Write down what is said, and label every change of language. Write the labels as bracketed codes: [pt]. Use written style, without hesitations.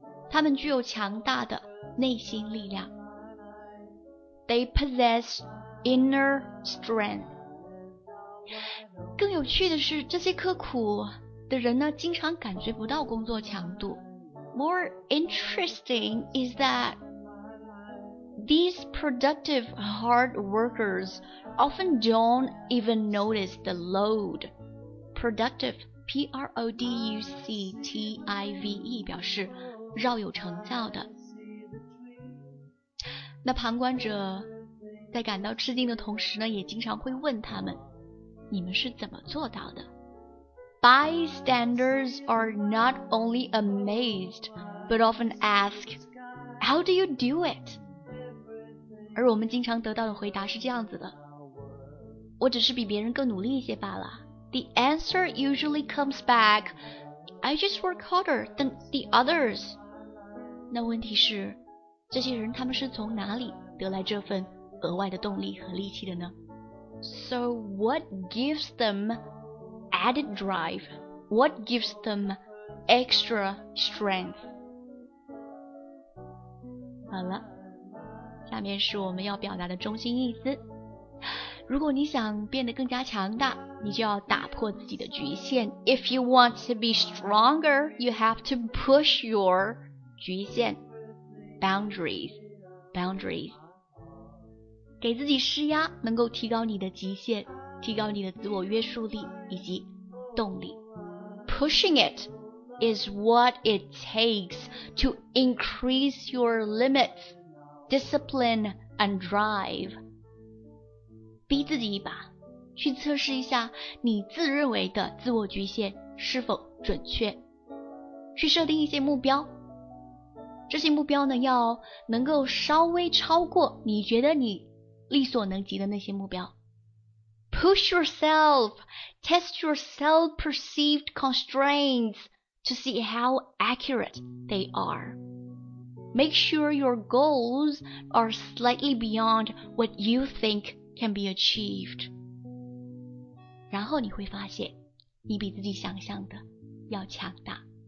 [zh] 他们具有强大的内心力量。 [en] They possess inner strength. [zh] 更有趣的是，这些刻苦的人呢，经常感觉不到工作强度。 [en] More interesting is that these productive hard workers often don't even notice the load. [zh] Productive, P-R-O-D-U-C-T-I-V-E, 表示饶有成效的。那旁观者在感到吃惊的同时呢，也经常会问他们，你们是怎么做到的？ [en] Bystanders are not only amazed, but often ask, How do you do it? [zh] 而我们经常得到的回答是这样子的，我只是比别人更努力一些罢了。 [en] The answer usually comes back, I just work harder than the others. [zh] 那问题是，这些人他们是从哪里得来这份额外的动力和力气的呢？ [en] So what gives them added drive? What gives them extra strength? [zh] 好了，下面是我们要表达的中心意思。如果你想变得更加强大，你就要打破自己的局限。 [en] If you want to be stronger, you have to push your... [zh] 局限 boundaries 给自己施压，能够提高你的极限，提高你的自我约束力以及动力。 [en] Pushing it is what it takes to increase your limits, discipline and drive. [zh] 逼自己一把，去测试一下你自认为的自我局限是否准确，去设定一些目标，这些目标呢，要能够稍微超过你觉得你力所能及的那些目标。 [en] Push yourself, test your self-perceived constraints to see how accurate they are. Make sure your goals are slightly beyond what you think can be achieved. [zh] 然后你会发现你比自己想象的要强大。